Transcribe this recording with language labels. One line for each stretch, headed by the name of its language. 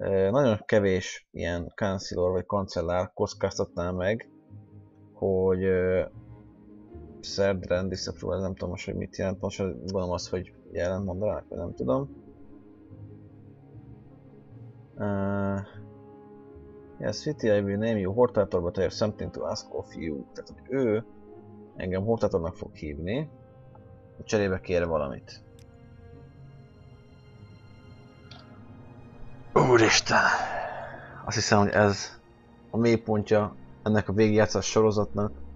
Hungarian: Nagyon kevés ilyen kancellor vagy kancellár kockáztatná meg, hogy Szerdren, Disapproval, nem tudom most, hogy mit jelent, most gondolom az, hogy jelent mondanák, vagy nem tudom.
English: Yes, Fiti, I will name you Hortator, but I have something to ask of you.
Hungarian: Tehát, hogy ő engem Hortatornak fog hívni, a cserébe kér valamit. Úristen! Azt hiszem, hogy ez a mélypontja ennek a végigjátszás sorozatnak.